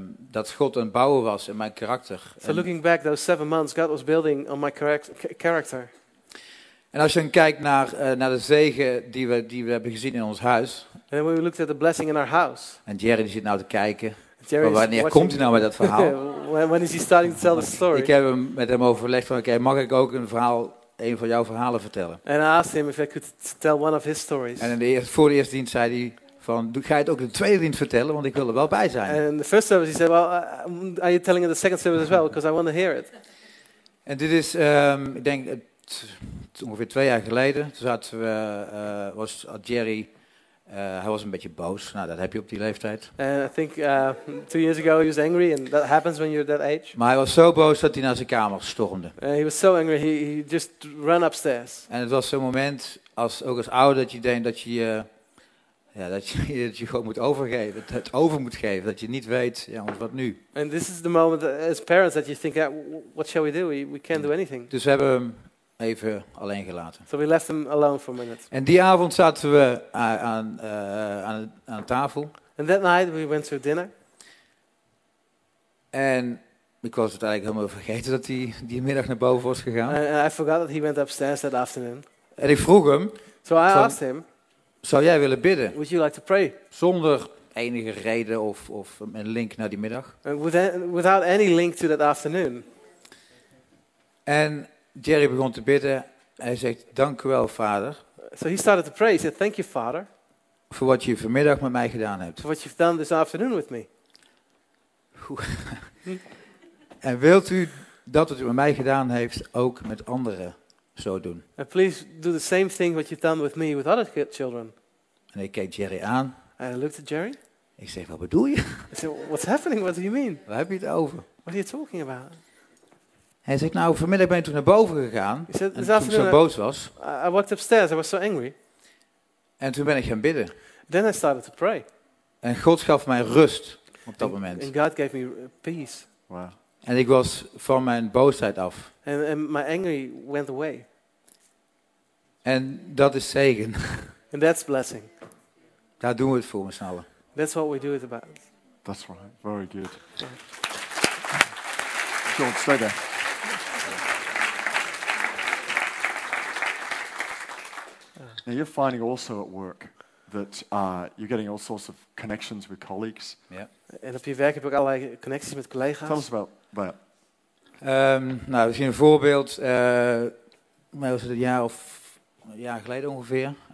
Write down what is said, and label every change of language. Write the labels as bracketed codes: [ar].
[nl] dat God aan het bouwen was in mijn karakter. [en] So looking back those 7 months, God was building on my character. [nl] En als je dan kijkt naar de zegen die we hebben gezien in ons huis. [en] And when we looked at the blessing in our house. [nl] En Jerry die zit nou te kijken. Maar wanneer komt hij nou met dat verhaal? [en] when is he starting to tell the story? [nl] Ik heb met hem overlegd van, oké, mag ik ook een van jouw verhalen vertellen? [en] And I asked him if I could tell one of his stories. [nl] En voor de eerste dienst zei hij. Van, ga je het ook de tweede dienst vertellen, want ik wil er wel bij zijn. [en] And the first service, he said, well, are you telling in the second service as well, because I want to hear it. [nl] En dit is, ik denk, ongeveer 2 jaar geleden, toen zaten we, was Jerry, hij was een beetje boos. Nou, dat heb je op die leeftijd. [en] And I think 2 years ago he was angry, and that happens when you're that age. [nl] Maar hij was zo boos dat hij naar zijn kamer stormde. [en] He was so angry, he just ran upstairs. [nl] En het was zo'n moment, ook als ouder, dat je denkt dat je ja, dat je gewoon moet overgeven, het over moet geven, dat je niet weet, ja, wat nu. [en] And this is the moment as parents that you think, what shall we do? We can't do anything. [nl] Dus we hebben hem even alleen gelaten. [en] So we left him alone for a minute. [nl] En die avond zaten we aan tafel. [en] And that night we went to dinner. [nl] En ik was het eigenlijk helemaal vergeten dat hij die middag naar boven was gegaan. [en] And I forgot that he went upstairs that afternoon. [nl] En ik vroeg hem. [en] So I asked him. [nl] Zou jij willen bidden? [en] Would you like to pray? [nl] Zonder enige reden of een link naar die middag. [en] Without any link to that afternoon. [nl] En Jerry begon te bidden. Hij zegt, dank u wel, vader. [en] So he started to pray. He said, thank you, father. [nl] Voor wat je vanmiddag met mij gedaan hebt. [en] For what you've done this afternoon with me. [nl] En wilt u dat wat u met mij gedaan heeft ook met anderen zo doen. [en] And please do the same thing what you've done with me with other children. [nl] En ik keek Jerry aan. [en] And I looked at Jerry. [nl] Ik zeg, wat bedoel je? [en] I said, what's happening? What do you mean? [nl] Waar heb je het over? [en] What are you talking about? [nl] Hij zegt, nou, vanmiddag ben je toen naar boven gegaan. [en] He said, [nl] en toen ik zo boos was. [en] I walked upstairs. I was so angry. [nl] En toen ben ik gaan bidden. [en] Then I started to pray. [nl] En God gaf mij rust op dat moment. [en] And God gave me peace. Wow. [nl] En ik was van mijn boosheid af. [en] And my anger went away. [nl] En dat is zegen. [en] And that's blessing. [nl] Daar doen we het voor, met z'n allen. [en] That's what we do it about. That's right. Very good. John, stay there. Now you're finding also at work that you're getting all sorts of connections with colleagues. Yeah. [nl] En op je werk heb ik allerlei connecties met collega's. [en] Tell us about that. [nl] Nou, we zien een voorbeeld. Mij was het een jaar of een jaar geleden ongeveer.